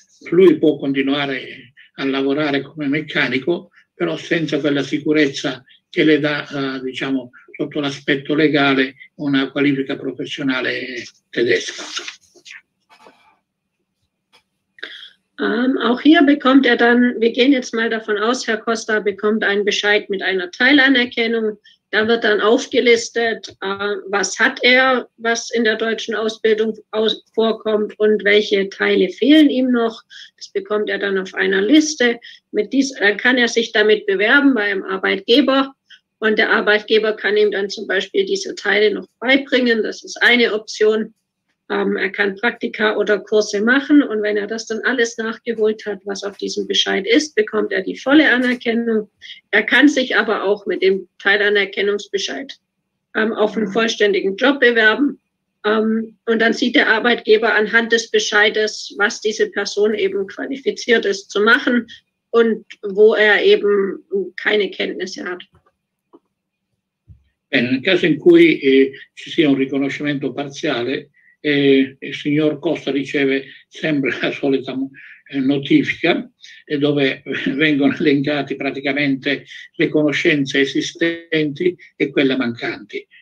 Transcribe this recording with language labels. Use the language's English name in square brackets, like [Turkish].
[Italian] Lui può continuare a lavorare come meccanico, però senza quella sicurezza che le dà, diciamo, sotto l'aspetto legale, una qualifica professionale tedesca. [German] Auch hier bekommt er dann, wir gehen jetzt mal davon aus, Herr Costa bekommt einen Bescheid mit einer Teilanerkennung. Da wird dann aufgelistet, was hat er, was in der deutschen Ausbildung vorkommt und welche Teile fehlen ihm noch. Das bekommt er dann auf einer Liste. Dann kann er sich damit bewerben beim Arbeitgeber. Und der Arbeitgeber kann ihm dann zum Beispiel diese Teile noch beibringen. Das ist eine Option. Er kann Praktika oder Kurse machen. Und wenn er das dann alles nachgeholt hat, was auf diesem Bescheid ist, bekommt er die volle Anerkennung. Er kann sich aber auch mit dem Teilanerkennungsbescheid auf einen vollständigen Job bewerben. Und dann sieht der Arbeitgeber anhand des Bescheides, was diese Person eben qualifiziert ist zu machen und wo er eben keine Kenntnisse hat. [Italian] Nel caso in cui ci sia un riconoscimento parziale, e il signor Costa riceve sempre la solita notifica dove vengono elencati praticamente le conoscenze esistenti e quelle mancanti.